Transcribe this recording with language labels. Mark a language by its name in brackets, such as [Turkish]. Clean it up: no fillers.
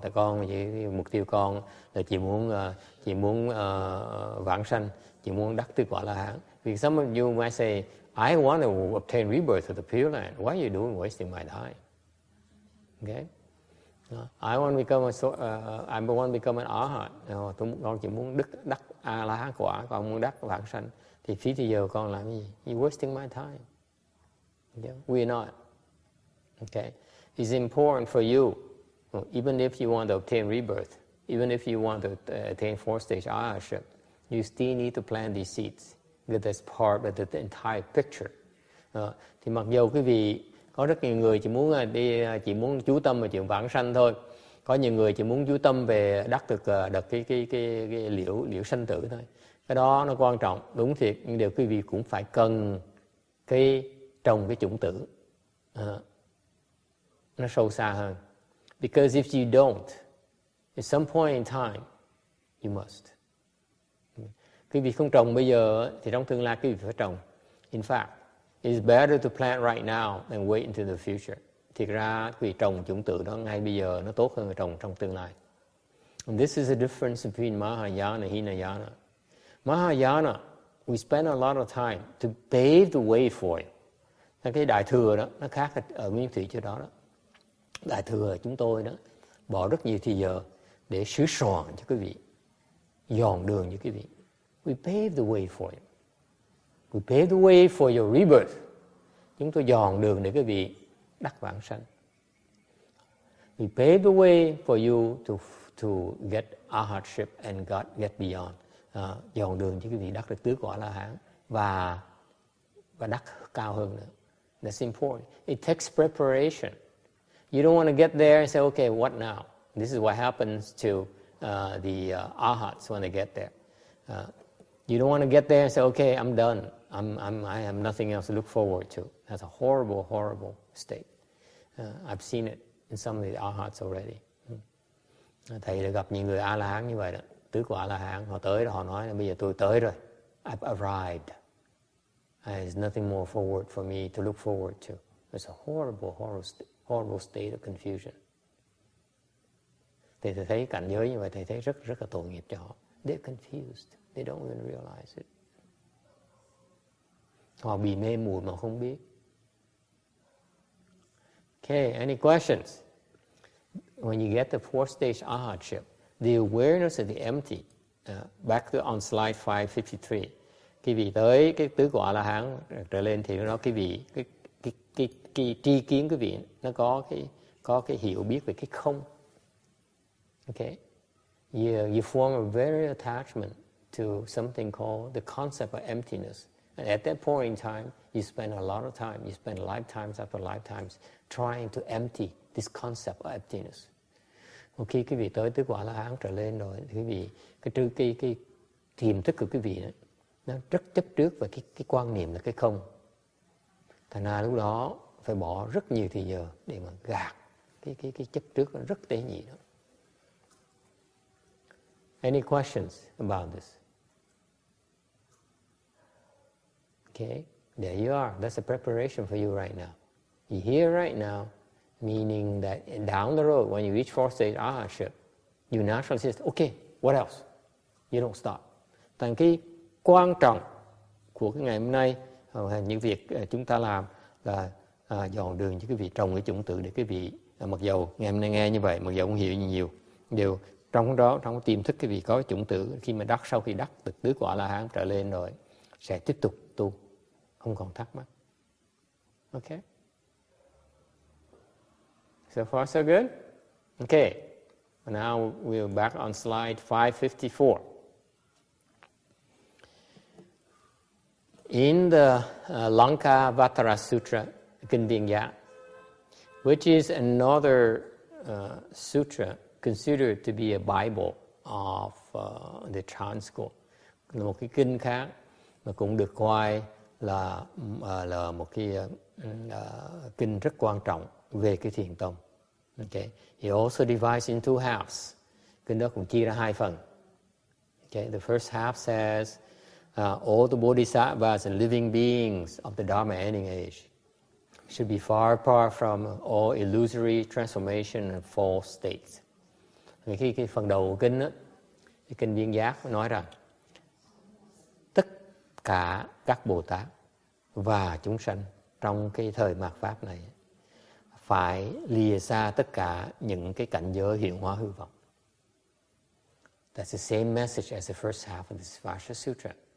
[Vietnamese] Tại con chỉ mục tiêu con là chỉ muốn vãng sanh, chỉ muốn đắc tứ quả la hán. Vì [English] some of you might say, I want to obtain rebirth of the Pure Land. Why are you doing wasting my time? Okay? I want to become an arhat. [Vietnamese] Con chỉ muốn đắc a la hán quả, con muốn đắc vãng sanh. Thì phí thì giờ con làm gì? [English] You're wasting my time. Yeah? We're not. Okay? It's important for you, even if you want to obtain rebirth, even if you want to attain fourth stage arhatship, you still need to plant these seeds. That's part of the entire picture. [Vietnamese] Thì mặc dù quý vị có rất nhiều người chỉ muốn chú tâm vào chuyện vãng sanh thôi, có nhiều người chỉ muốn chú tâm về đắc được cái liễu sanh tử thôi. Cái đó nó quan trọng, đúng thiệt, nhưng điều quý vị cũng phải cần cái trồng cái chủng tử nó sâu xa hơn. [English] Because if you don't, at some point in time, you must. [Vietnamese] Quý vị không trồng bây giờ thì trong tương lai quý vị phải trồng. [English] In fact, it's better to plant right now than wait into the future. [Vietnamese] Thực ra quý vị trồng chủng tử đó ngay bây giờ nó tốt hơn là trồng trong tương lai. [English] And this is the difference between Mahayana and Hinayana. Mahayana, we spend a lot of time to pave the way for it. [Vietnamese] Cái đại thừa đó nó khác ở nguyên thủy chỗ đó. Đại thừa chúng tôi đó bỏ rất nhiều thời giờ để sửa soạn cho quý vị. dọn đường cho cái gì. [English] We pave the way for you. We pave the way for your rebirth. [Vietnamese] Chúng tôi dọn đường để quý vị đắc vãng sanh. [English] We pave the way for you to get our hardship and God get beyond. [Vietnamese] Dọn đường cho quý vị đắc được tứ quả la hán và đắc cao hơn nữa. [English] That's important. It takes preparation. You don't want to get there and say, okay, what now? This is what happens to the arhats when they get there. You don't want to get there and say, okay, I'm done. I have nothing else to look forward to. That's a horrible, horrible state. I've seen it in some of the arhats already. [Vietnamese] Thầy đã gặp những người A-la-hán như vậy đó. Tứ của A-la-hán, họ tới rồi, họ nói là bây giờ tôi tới rồi. [English] I've arrived. There's nothing more forward for me to look forward to. It's a horrible, horrible state of confusion. [Vietnamese] Thầy thấy cảnh giới như vậy, thầy thấy rất, rất là tội nghiệp cho họ. They're confused. They don't even realize it. Họ bị mê muội mà không biết. [English] Okay, any questions? When you get the fourth stage arhatship, the awareness of the empty, back to on slide 553, [Vietnamese] khi vị tới cái tứ quả la hán trở lên thì nó cái vị cái tri kiến cái vị nó có cái hiểu biết về cái không. [English] Okay, you form a very attachment to something called the concept of emptiness. And at that point in time, you spend a lot of time, you spend lifetimes after lifetimes trying to empty this concept of emptiness. [Vietnamese] Một khi quý vị tới tứ quả la hán trở lên rồi, quý vị cái tiềm thức của quý vị đó, nó rất chấp trước về cái quan niệm là cái không. Thành ra lúc đó phải bỏ rất nhiều thời giờ để mà gạt cái chấp trước rất tế nhị đó. [English] Any questions about this? Okay, there you are. That's the preparation for you right now. You're here right now, meaning that down the road, when you reach fourth stage arhatship, you naturally say, okay, what else? You don't stop. [Vietnamese] Thành cái quan trọng của cái ngày hôm nay, những việc chúng ta làm là dọn đường cho quý vị trồng cái chủng tử để quý vị, mặc dù ngày hôm nay nghe như vậy, mặc dù không hiểu nhiều, đều trong đó, trong tiềm thức quý vị có cái chủng tử, khi mà đắc, sau khi đắc được tứ quả la hán trở lên rồi, sẽ tiếp tục tu, không còn thắc mắc. [English] Okay. So far, so good? Okay. Now we're back on slide 554. In the Lanka Vajra Sutra, Gandhinga, which is another sutra considered to be a Bible of the Chan school, [Vietnamese] là một cái kinh khác mà cũng được coi là một cái kinh rất quan trọng về cái thiền tông. Okay. [English] It also divides into two halves. [Vietnamese] Kinh đó cũng chia ra hai phần. [English] Okay. The first half says, all the bodhisattvas and living beings of the Dharma ending age should be far apart from all illusory transformation and false states. [Vietnamese] Cái phần đầu của kinh đó, cái kinh Viên Giác nói rằng tất cả các Bồ Tát và chúng sanh trong cái thời mạt pháp này phải lìa xa tất cả những cái cảnh giới hiện hóa hư vọng. [English] That's the same message as the first half of this Vajra Sutra.